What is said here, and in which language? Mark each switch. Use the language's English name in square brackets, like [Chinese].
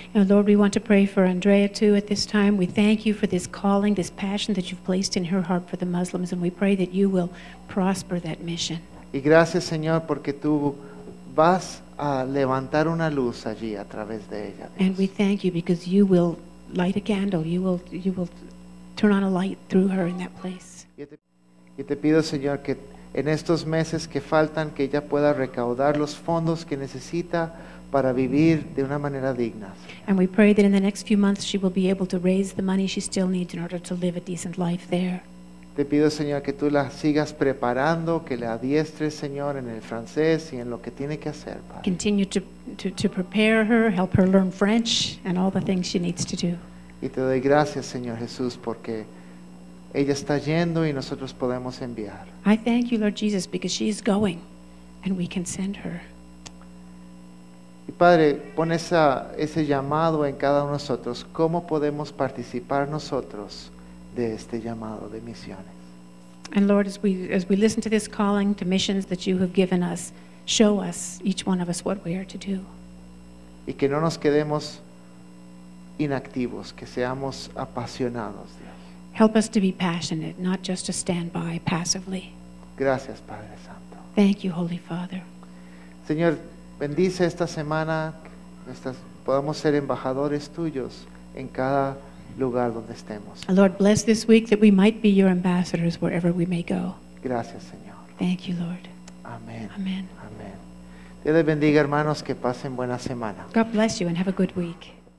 [English] And Lord, we want to pray for Andrea too at this time. We thank you for this calling, this passion that you've placed in her heart for the Muslims, and we pray that you will prosper that mission. [Spanish] Y gracias, Señor, porque tú vas a levantar una luz allí a través de ella, Dios. [English] And we thank you because you will light a candle. You will turn on a light through her in that place. [Spanish] Y te pido, Señor, que en estos meses que faltan, que ella pueda recaudar los fondos que necesita para vivir de una manera digna. [English] And we pray that in the next few months she will be able to raise the money she still needs in order to live a decent life there. [Spanish] Te pido, Señor, que tú la sigas preparando, que la adiestres, Señor, en el francés y en lo que tiene que hacer, Padre. [English] Continue to prepare her, help her learn French and all the things she needs to do. [Spanish] Y te doy gracias, Señor Jesús, porque ella está yendo y nosotros podemos enviar. [English] I thank you, Lord Jesus, because she is going and we can send her. [Spanish] Y Padre, pon ese llamado en cada uno de nosotros. ¿Cómo podemos participar nosotros de este llamado de misiones? [English] And Lord, as we listen to this calling to missions that you have given us, show us, each one of us, what we are to do. [Spanish] Y que no nos quedemos inactivos, que seamos apasionados, Dios. [English] Help us to be passionate, not just to stand by passively. [Spanish] Gracias, Padre Santo. [English] Thank you, Holy Father. [Spanish] Señor, bendice esta semana, podamos ser embajadores tuyos en cada lugar donde estemos. [English] Lord, bless this week that we might be your ambassadors wherever we may go. [Spanish] Gracias, Señor. [English] Thank you, Lord. [Spanish] Amén. Amén. Amén. Dios les bendiga, hermanos, que pasen buena semana. [English] God bless you and have a good week.